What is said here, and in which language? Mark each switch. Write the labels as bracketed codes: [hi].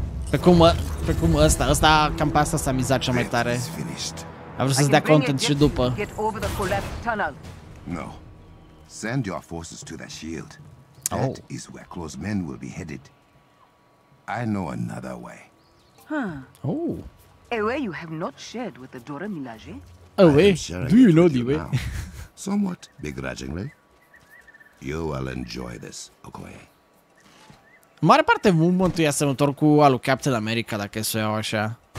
[ro] Pe cum ăsta, cam pe asta s-a mizat cea mai tare. A vrut să-ți dea content și după. [en] No. Send your forces to the shield. That is where Claw's men will be headed. I know another way. Huh. Oh. A way you have not shared with the Dora Milaje? A way? Do you know the way? Somewhat begrudgingly. You will enjoy this, Okoye. [ro] Mare parte movement-ul e asemănător cu al lui Captain America, dacă să iau așa.